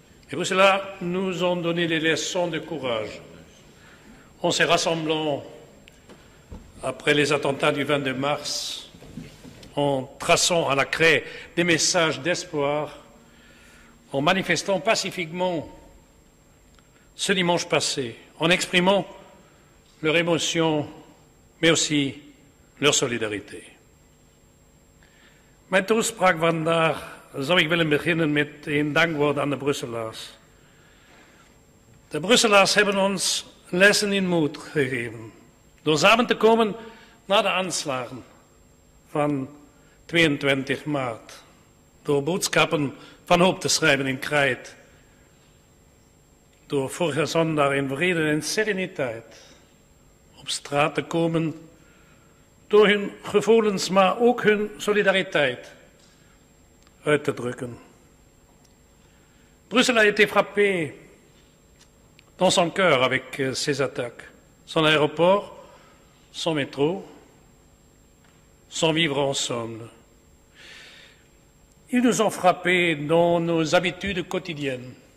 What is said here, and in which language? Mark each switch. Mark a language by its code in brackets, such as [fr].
[fr] Les Bruxellois nous ont donné des leçons de courage en se rassemblant après les attentats du 22 mars, en traçant à la craie des messages d'espoir, en manifestant pacifiquement ce dimanche passé, en exprimant leur émotion, mais aussi leur solidarité. [nl] Mijn toespraak vandaag zou ik willen beginnen met een dankwoord aan de Brusselaars. De Brusselaars hebben ons lessen in moed gegeven door samen te komen na de aanslagen van 22 maart, door boodschappen van hoop te schrijven in Krijt, door vorige zondag in vrede en sereniteit op straat te komen, door hun gevoelens, maar ook hun solidariteit uit te drukken. [fr] Brussel a été frappé dans son cœur avec ses attaques, son aéroport, son métro, son vivre ensemble. Ils nous ont frappés dans nos habitudes quotidiennes.